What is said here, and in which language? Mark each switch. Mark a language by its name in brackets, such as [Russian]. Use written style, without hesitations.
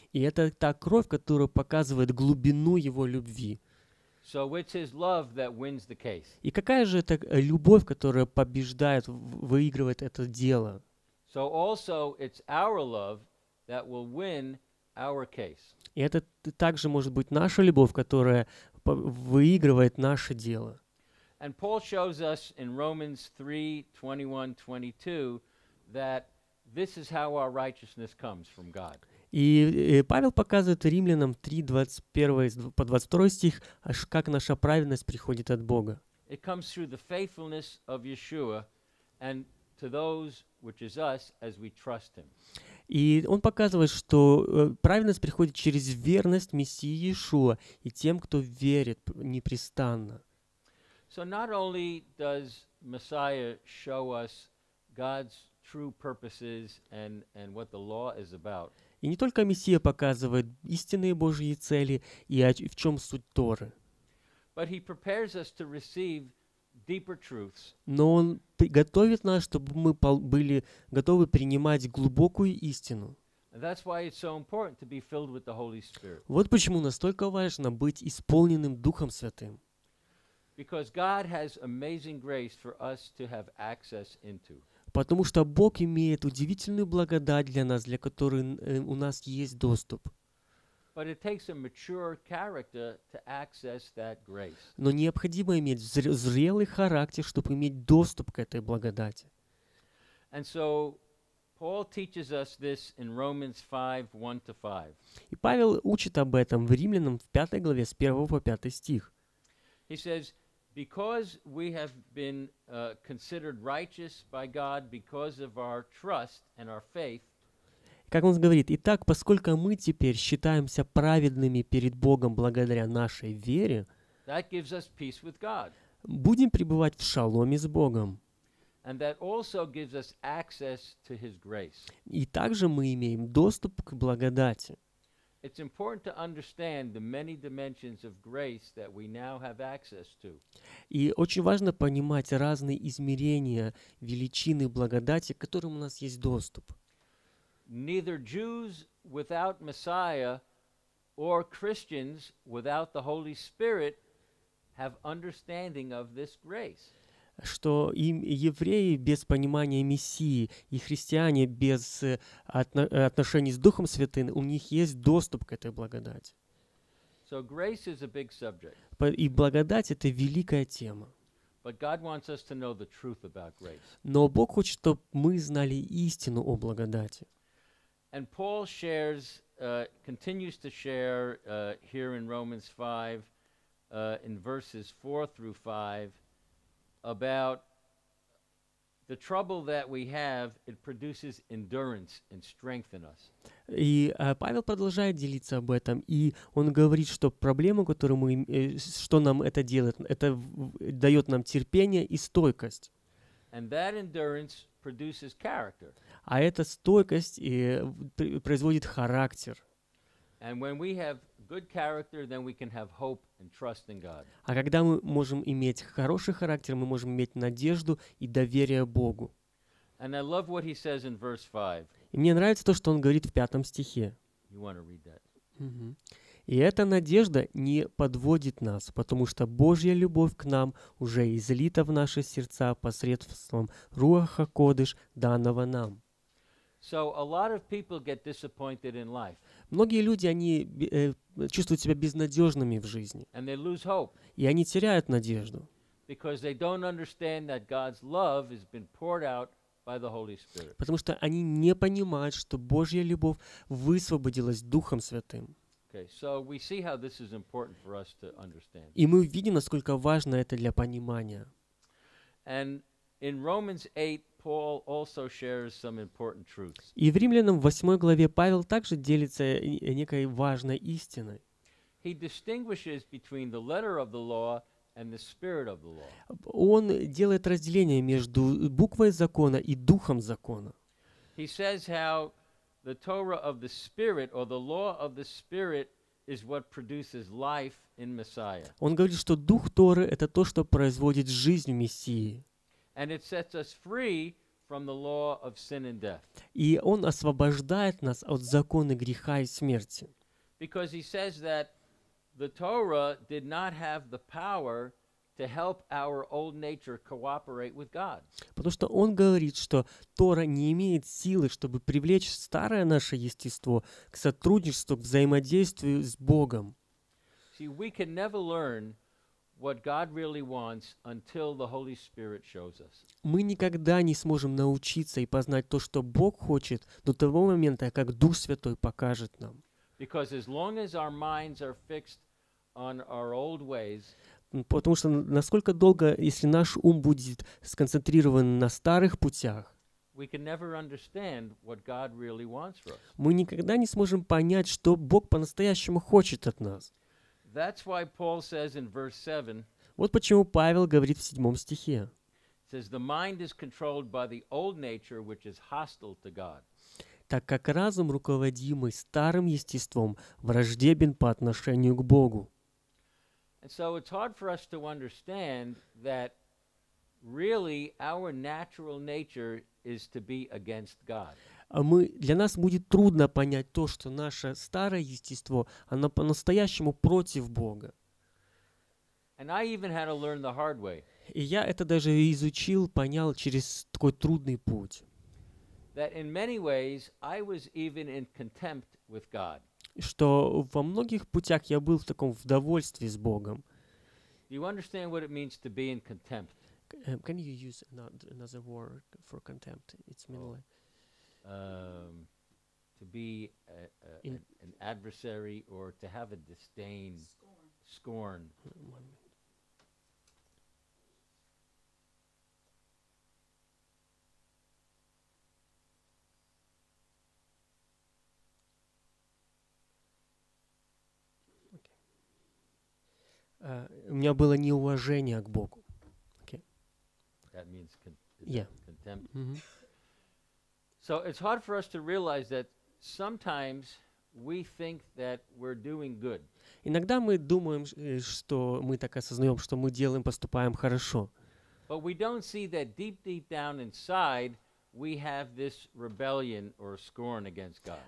[Russian] И это та кровь, которая показывает глубину его любви. [English] So which is love that wins the case? [Russian] И какая же это любовь, которая побеждает, выигрывает это дело? [English] So also it's our love that will win our case. [Russian] И это также может быть наша любовь, которая выигрывает наше дело. [English] And Paul shows us in Romans 3:21-22 that this is how our righteousness comes from God. [Russian] И Павел показывает Римлянам 3:21-22 стих, аж как наша праведность приходит от Бога. [English] It comes through the faithfulness of Yeshua and to those which is us as we trust him. [Russian] И он показывает, что праведность приходит через верность Мессии Иешуа и тем, кто верит непрестанно. [English] So not only does Messiah show us God's true purposes and what the law is about. [Russian] И не только Мессия показывает истинные Божьи цели и в чем суть Торы. [English] But he prepares us to receive deeper truths. [Russian] Но он готовит нас, чтобы мы были готовы принимать глубокую истину. [English] That's why it's so important to be filled with the Holy Spirit. [Russian] Вот почему настолько важно быть исполненным Духом Святым. [English] Because God has amazing grace for us to have access into. [Russian] Потому что Бог имеет удивительную благодать для нас, для которой у нас есть доступ. [English] But it takes a mature character to access that grace. [Russian] Но необходимо иметь зрелый характер, чтобы иметь доступ к этой благодати. [English] And so Paul teaches us this in Romans 5:1-5. [Russian] И Павел учит об этом в Римлянам в 5 главе с 1 по 5 стих. [English] He says, because we have been considered righteous by God because of our trust and our faith. [Russian] Как он говорит, итак, поскольку мы теперь считаемся праведными перед Богом благодаря нашей вере, [English] that gives us peace with God. [Russian] Будем пребывать в шаломе с Богом. [English] And that also gives us access to his grace. [Russian] И также мы имеем доступ к благодати. [English] It's important to understand the many dimensions of grace that we now have access to. [Russian] И очень важно понимать разные измерения величины благодати, к которым у нас есть доступ. [English] Neither Jews without Messiah or Christians without the Holy Spirit have understanding of this grace. [Russian] Что и евреи без понимания Мессии, и христиане без отношений с Духом Святым, у них есть доступ к этой благодати. [English] So grace is a big subject. [Russian] И благодать – это великая тема. [English] But God wants us to know the truth about grace. [Russian] Но Бог хочет, чтобы мы знали истину о благодати. [English] And Paul shares, continues to share here in Romans 5, in verses 4-5, about the trouble that we have, it produces endurance and strength in us. [Russian] И Павел продолжает делиться об этом, и он говорит, что проблема, которую мы, что нам это делает, это дает нам терпение и стойкость. [English] And that endurance produces character. [Russian] А эта стойкость и производит характер. [English] And when we have good character, then we can have hope and trust in God. [Russian] А когда мы можем иметь хороший характер, мы можем иметь надежду и доверие Богу. [English] And I love what he says in verse 5. [Russian] И мне нравится то, что он говорит в 5 стихе. [English] You want to read that. [Russian] И эта надежда не подводит нас, потому что Божья любовь к нам уже излита в наши сердца посредством Руаха Кодыш, данного нам. [English] So a lot of people get disappointed in life. [Russian] Многие люди, они чувствуют себя безнадежными в жизни. [English] And they lose hope. [Russian] И они теряют надежду. [English] Because they don't understand that God's love has been poured out by the Holy Spirit. [Russian] Потому что они не понимают, что Божья любовь высвободилась Духом Святым. [English] Okay, so we see how this is important for us to understand. [Russian] И мы видим, насколько важно это для понимания. [English] And in Romans 8, Paul also shares some important truths. [Russian] И в Римлянам 8 главе Павел также делится некой важной истиной. [English] He distinguishes between the letter of the law and the spirit of the law. [Russian] Он делает разделение между буквой закона и духом закона. [English] He says how the Torah of the Spirit or the law of the Spirit is what produces life in Messiah. [Russian] Он говорит, что дух Торы это то, что производит жизнь в Мессии. [English] And it sets us free from the law of sin and death. [Russian] И он освобождает нас от закона греха и смерти. [English] Because he says that the Torah did not have the power to help our old nature cooperate with God. [Russian] Потому что он говорит, что Тора не имеет силы, чтобы привлечь старое наше естество к сотрудничеству, к взаимодействию с Богом. [English] See, we can never learn what God really wants until the Holy Spirit shows us. [Russian] Мы никогда не сможем научиться и познать то, что Бог хочет, до того момента, как Дух Святой покажет нам. [English] Because as long as our minds are fixed on our old ways, [Russian] потому что насколько долго, если наш ум будет сконцентрирован на старых путях, [English] we can never understand what God really wants from us. [Russian] Мы никогда не сможем понять, что Бог по-настоящему хочет от нас. [English] That's why Paul says in verse 7, [Russian] вот почему Павел говорит в 7 стихе. [English] Says the mind is controlled by the old nature, which is hostile to God. [Russian] Так как разум, руководимый старым естеством, враждебен по отношению к Богу. [English] And so it's hard for us to understand that really our natural nature is to be against God. [Russian] Для нас будет трудно понять то, что наше старое естество, оно по-настоящему против Бога. [English] And I even had to learn the hard way. [Russian] И я это даже изучил, понял через такой трудный путь. [English] That in many ways I was even in contempt with God. [Russian] Что во многих путях я был в таком в довольстве с Богом. [English] You understand what it means to be in contempt? Can you use another word for contempt? It's mean like to be an adversary or to have a disdain, scorn. [Russian] У меня было неуважение к Богу. [English] Okay. That means contempt. Mm-hmm. So it's hard for us to realize that sometimes we think that we're doing good. [Russian] Иногда мы думаем, что мы так осознаем, что мы делаем, поступаем хорошо. [English] But we don't see that deep down inside we have this rebellion or scorn against God.